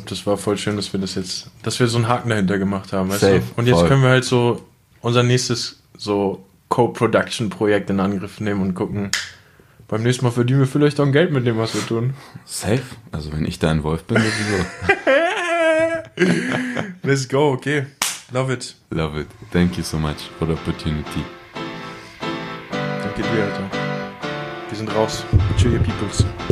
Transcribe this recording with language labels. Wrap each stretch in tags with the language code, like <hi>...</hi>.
<de>Das war voll schön, dass wir das jetzt, dass wir so einen Haken dahinter gemacht haben. Safe, weißt du? Und jetzt voll. Können wir halt so unser nächstes so Co-Production-Projekt in Angriff nehmen und gucken. Beim nächsten Mal verdienen wir vielleicht auch ein Geld mit dem, was wir tun. Safe. Also wenn ich da ein Wolf bin, dann so.</de> <en>Let's go, okay. Love it. Love it. Thank you so much for the opportunity.</en> <de>Danke dir, Alter. Wir sind raus.</de> <en>Cheer your peoples.</en>